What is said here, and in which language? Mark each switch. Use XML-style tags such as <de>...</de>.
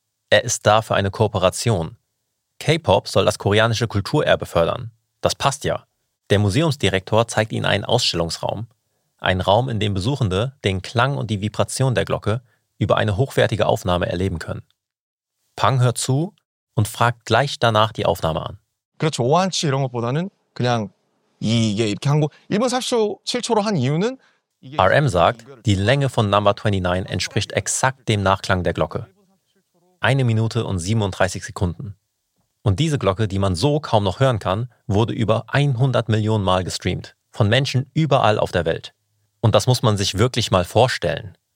<de>Er ist da für eine Kooperation. K-Pop soll das koreanische Kulturerbe fördern. Das passt ja. Der Museumsdirektor zeigt ihnen einen Ausstellungsraum. Ein Raum, in dem Besuchende den Klang und die Vibration der Glocke über eine hochwertige Aufnahme erleben können. Pang hört zu und fragt gleich danach die Aufnahme an.</de> <ko>그렇죠. 5초 이런 것보다는 그냥 이게 이렇게 한 거 1분 30초 7초로 한 이유는</ko> <de>RM sagt, die Länge von Number 29 entspricht exakt dem Nachklang der Glocke. 1 Minute und 37 Sekunden. Und diese Glocke, die man so kaum noch hören kann, wurde über 100 Millionen Mal gestreamt. Von Menschen überall auf der Welt. Und das muss man sich wirklich mal vorstellen.</de>